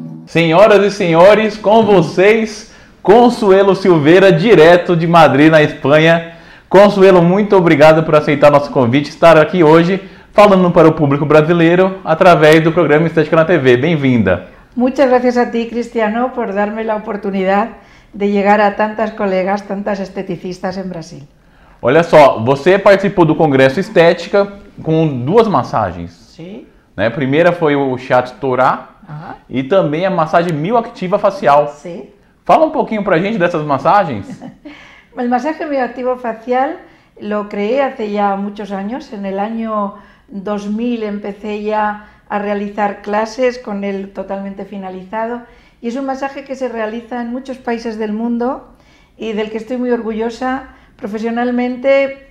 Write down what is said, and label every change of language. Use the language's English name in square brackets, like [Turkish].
[Portuguese] Senhoras e senhores, com vocês, Consuelo Silveira, direto de Madrid, na Espanha. Consuelo, muito obrigado por aceitar nosso convite, estar aqui hoje falando para o público brasileiro através do programa Estética na TV. Bem-vinda. [Spanish] Muchas gracias a ti, Cristiano, por darme la oportunidad de llegar a tantas colegas, tantas esteticistas en Brasil. [Portuguese] Olha só, você participou do Congresso Estética com duas massagens. Sim. Né? A primeira foi o Shiatsu Toura. E também a massagem mioactiva facial. Sim. Fala um pouquinho pra gente dessas massagens. [Spanish] O massagem mioactivo facial, lo creé hace ya muchos años. En el año 2000 empecé ya a realizar clases con él totalmente finalizado. Y es un masaje que se realiza en muchos países del mundo y del que estoy muy orgullosa profesionalmente.